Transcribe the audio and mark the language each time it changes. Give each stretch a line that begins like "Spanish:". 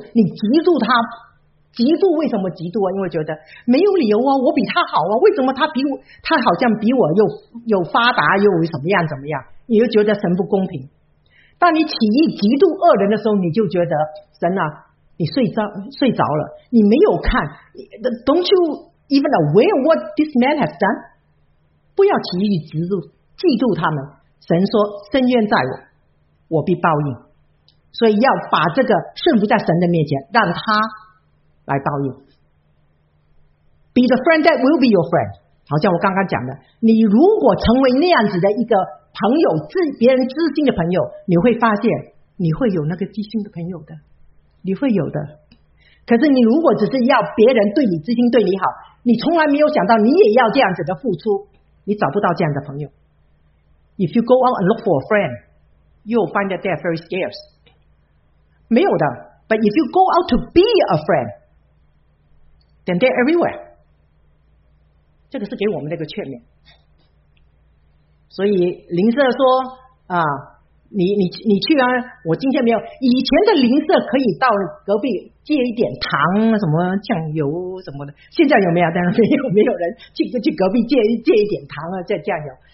Chinese: 你嫉妒他，嫉妒为什么嫉妒啊？因为觉得没有理由啊，我比他好啊，为什么他好像比我又发达又怎么样怎么样，你又觉得神不公平。当你起意极度恶人的时候，你就觉得神啊，你睡着了，你没有看。
English: Don't you even aware what this man has done？
Chinese: 不要起意嫉妒他们。神说，深渊在我，我必报应。所以要把这个顺服在神的面前，让他来报应。
English: Be the friend that will be your friend。
Chinese: 好像我刚刚讲的，你如果成为那样子的一个朋友，别人知心的朋友，你会发现你会有那个知心的朋友的，你会有的。可是你如果只是要别人对你知心对你好，你从来没有想到你也要这样子的付出，你找不到这样的朋友。
English: If you go out and look for a friend, you'll find that they're very scarce.
Chinese: 没有的。
English: But if you go out to be a friend, then they're everywhere.
Chinese: 这个是给我们的一个劝勉。所以邻舍说啊，你去啊，我今天没有。以前的邻舍可以到隔壁借一点糖、什么酱油什么的，现在有没有？当然没有，没有人去隔壁借一点糖啊，再酱油。